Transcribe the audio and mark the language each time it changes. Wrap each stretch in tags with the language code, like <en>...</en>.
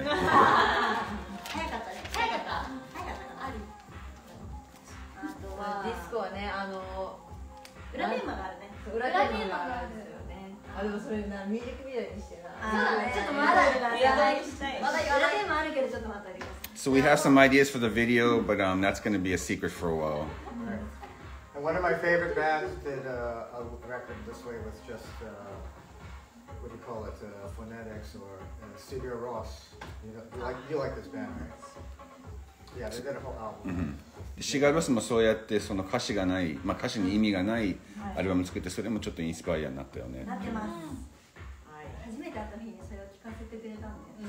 <ja>早かったね。早かった。あるあとはディスコはね、あの裏テーマがあるね。そう、裏テーマがあるんですよね。あ、でもそれな、ミュージックビデオにしてな。そうだね。ちょっとまだ言わない。まだ言わない。裏テーマあるけど、ちょっと待ってあります。</ja> <en>So we have some ideas for the video, but that's going to be a secret for a while. One of my favorite bands did a record this way with just, what do you call it, phonetics or Studio Ross. You like this band, right? Yeah, they did a whole album. Mm-hmm.</en> <ja>シガロスもそうやってその歌詞がない、まあ、歌詞に意味がないアルバム作ってそれもちょっとインスパイアになったよね。なってます、うん、はい、初めて会った日にそれを聞かせてくれたんで、</ja>